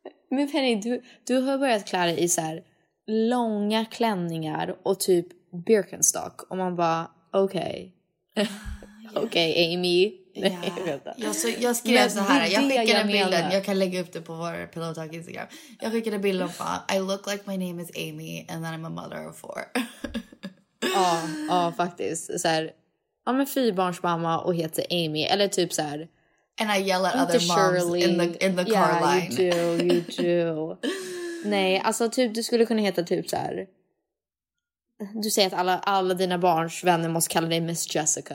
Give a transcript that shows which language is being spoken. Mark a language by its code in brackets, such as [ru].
[sv] Men Penny, du har börjat klä dig i så här långa klänningar och typ Birkenstock. Och man bara, okej. Okay. Okej, Amy. [en] Yeah. [sv] jag skrev men så här, jag skickade bilden. Jag kan lägga upp det på vår Pillow Talk Instagram. Jag skickade bilden på, [en] I look like my name is Amy and that I'm a mother of four. [sv] Ja, faktiskt. Så här, ja, men fyrbarnsmamma och heter Amy. Eller typ så här. [en] And I yell at other moms Shirley. in the yeah, car line. Yeah, you do. [sv] Nej, alltså typ du skulle kunna heta typ så här. Du säger att alla dina barns vänner måste kalla dig Miss Jessica.